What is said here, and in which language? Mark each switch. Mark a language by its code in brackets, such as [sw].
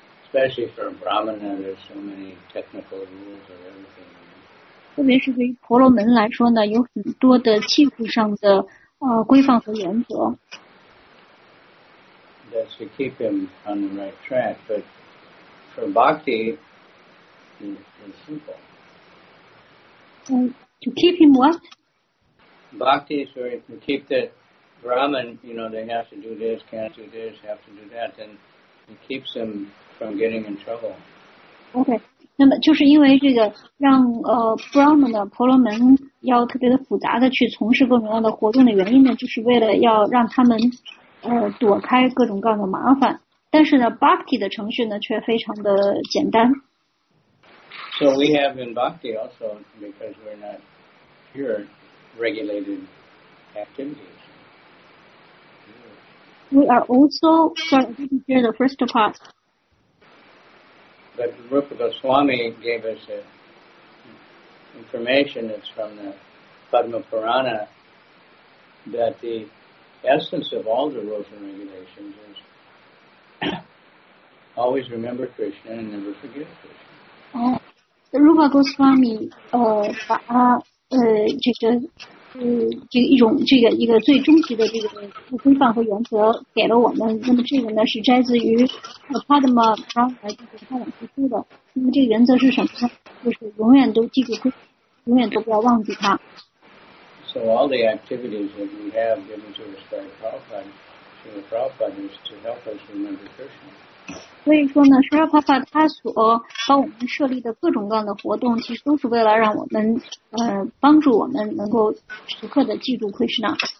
[en] Especially for Brahmana, there's so many technical rules and everything. [zh] 特别是对于婆罗门来说呢，有很多的技术上的规范和原则。 [en] That's to keep him on the right track, but for Bhakti, it's simple. To keep him what? Bhakti is very, to keep the Brahman, you know, they have to do this, can't do this, have to do that, and it keeps them from getting in trouble. [zh] Okay, 那么就是因为这个让Brahman 的婆罗门要特别的复杂的去从事各种各样的活动的原因呢，就是为了要让他们躲开各种各样的麻烦。但是呢 ，Bhakti 的程序呢却非常的简单。 [en] So we have in Bhakti also because we're not pure regulated activities. We are also sorry, here the first part. But Rupa Goswami gave us information that's from the Padma Purana that the essence of all the rules and regulations is always remember Krishna and never forget Krishna. [zh] Rupa Goswami 把这个最终极的这个规范和原则给了我们。那么这个呢是摘自于 Padma Purana 就是他往出说的。那么这个原则是什么呢？就是永远都记住规矩，永远都不要忘记它。 [en] So all the activities that we have given to us by Prabhupada, to the Prabhupada, is to help us remember Krishna. [zh] 所以说呢，舒拉帕帕他所帮我们设立的各种各样的活动，其实都是为了让我们，帮助我们能够时刻的记住 Krishna。